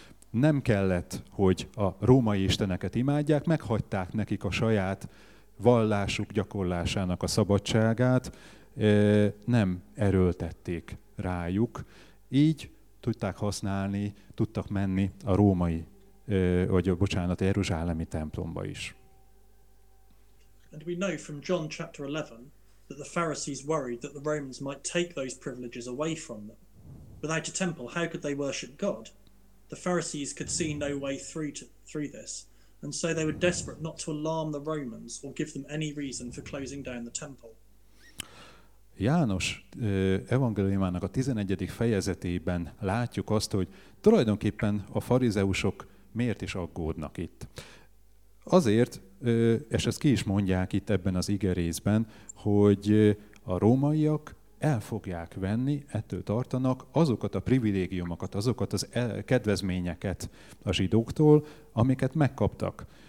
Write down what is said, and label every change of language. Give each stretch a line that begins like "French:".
Hungarian: Nem kellett, hogy a római isteneket imádják, meghagyták nekik a saját vallásuk gyakorlásának a szabadságát, nem erőltették rájuk. Így tudták használni, tudtak menni a római, vagy bocsánat, a jeruzsálemi templomba is.
English: And we know from John chapter 11 that the Pharisees worried that the Romans might take those privileges away from them. Without a temple, how could they worship God? The Pharisees could see no way through this, and so they were desperate not to alarm the Romans or give them any reason for closing down the temple.
Hungarian: János evangéliumának a 11. fejezetében látjuk azt, hogy tulajdonképpen a farizeusok miért is aggódnak itt. Azért, és ezt ki is mondják itt ebben az igerészben, hogy a rómaiak el fogják venni, ettől tartanak azokat a privilégiumokat, azokat az kedvezményeket a zsidóktól, amiket megkaptak.